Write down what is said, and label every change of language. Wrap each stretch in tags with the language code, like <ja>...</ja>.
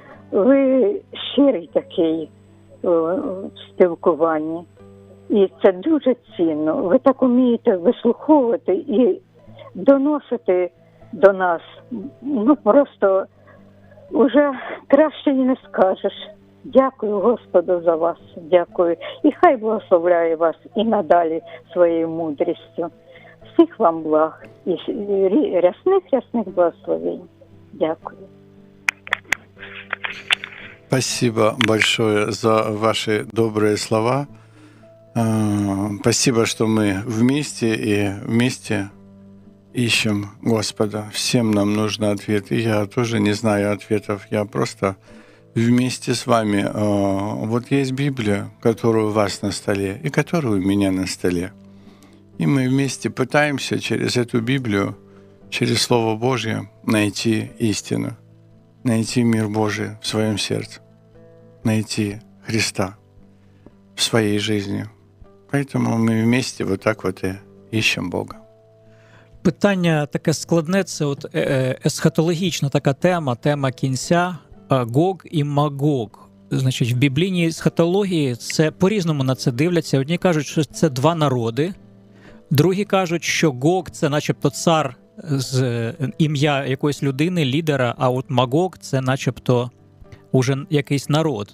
<uk>Ви щирий такий в спілкуванні. І це дуже цінно. Ви так умієте вислуховувати і доносити до нас. Ну, просто уже краще не скажеш. Дякую Господу за вас. Дякую. І хай благословляє вас і надалі своєю мудрістю. Всіх вам благ. І рясних-рясних благословень. Дякую.</uk> <ru>Спасибо большое за ваши добрые слова. Спасибо, что мы вместе и вместе ищем Господа. Всем нам нужен ответ. И я тоже не знаю ответов. Я просто вместе с вами. Вот есть Библия, которая у вас на столе, и которая у меня на столе. И мы вместе пытаемся через эту Библию, через Слово Божье найти истину, найти мир Божий в своем сердце, найти Христа в своей жизни. Поэтому мы вместе вот так вот и ищем Бога.</ru> <uk>Питання таке складне, це от есхатологічна така тема, тема кінця, Гог і Магог. Значить, в біблійній есхатології це по-різному на це дивляться. Одні кажуть, що це два народи, другі кажуть, що Гог – це начебто цар з ім'я якоїсь людини, лідера, а от Магог – це начебто уже якийсь народ.</uk>